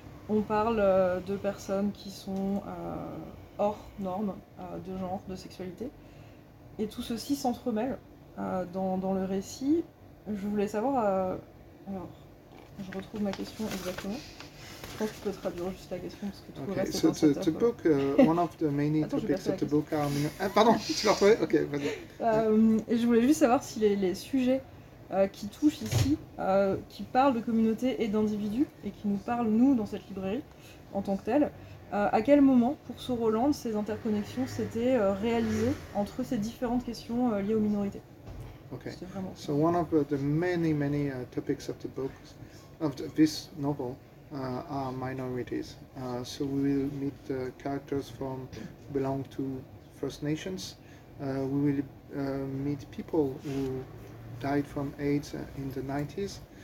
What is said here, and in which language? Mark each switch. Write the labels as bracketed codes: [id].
[fr] On parle de personnes qui sont hors normes de genre, de sexualité. Et tout ceci s'entremêle dans le récit. Je voulais savoir... alors, je retrouve ma question exactement. Je pense que tu peux traduire juste la question, parce que tu pourrais rester dans cette offre. [en] Ok, one of the many topics of the book are... [fr] Ah, pardon, tu l'as retrouvé ? Ok, vas-y. Je voulais juste savoir si les sujets... qui touche ici, qui parle de communauté et d'individus, et qui nous parle, nous, dans cette librairie, en tant que telle. À quel moment, pour ce Roland, ces interconnexions s'étaient réalisées entre ces différentes questions liées aux minorités ? Ok. [en] So one of the many, many topics of the book, of this novel, are minorities. So we will meet characters from belong to First Nations. We will meet people who died from AIDS in the 90s.